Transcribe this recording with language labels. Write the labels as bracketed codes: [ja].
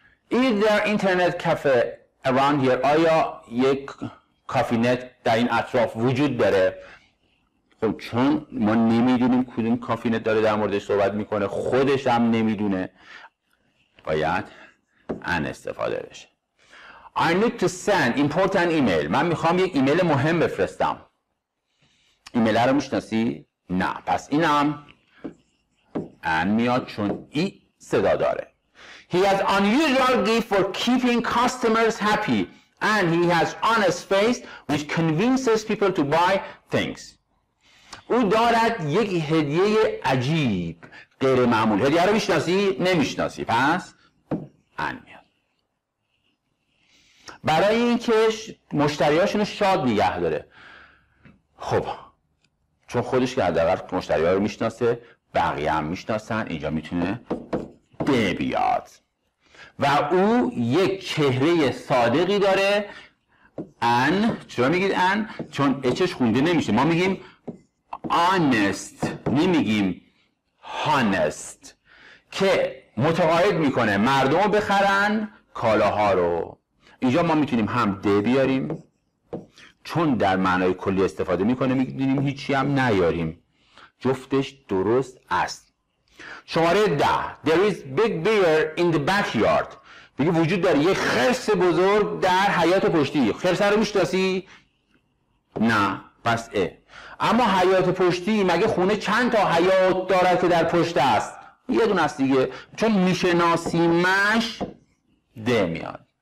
[en] Is there internet cafe around here؟ [fa] آیا یک کافی نت در این اطراف وجود داره؟ خب چون ما نمیدونیم کدوم کافی نت داره در موردش صحبت میکنه، خودش هم نمیدونه، باید ان استفاده بشه. [en] I need to send important email. [fa] من میخوام یک ایمیل مهم بفرستم. ایمیل رو میشناسی؟ نه. پس اینم ان میاد، چون ای صدا داره. [en] He has unusual gift for keeping customers happy and he has honest face which convinces people to buy things. [fa] او دارد یک هدیه عجیب غیر معمول. هدیه رو میشناسی؟ نمیشناسی. پس ان میاد. برای اینکه مشتریاشون رو شاد نگه داره. خب چون خودش که حداقل مشتریا رو میشناسه، بقیه هم میشناسن، اینجا میتونه ده بیاد. و او یک چهره صادقی داره. ان، چرا میگید ان؟ چون اچش خونده نمیشه. ما میگیم آنست، نمیگیم هانست، که متقاعد میکنه مردم رو بخرن کالاها رو. اینجا ما میتونیم هم د بیاریم، چون در معنای کلی استفاده میکنه، میتونیم هیچی هم نیاریم، جفتش درست است. شماره ده: [en] There is big bear in the backyard. [fa] بگه وجود داره یه خرس بزرگ در حیات پشتی. خرس رو میشناسی؟ نه. پس اه. اما حیات پشتی، مگه خونه چند تا حیات داره که در پشت است؟ یه دونه است دیگه، چون میشناسیمش د میاد.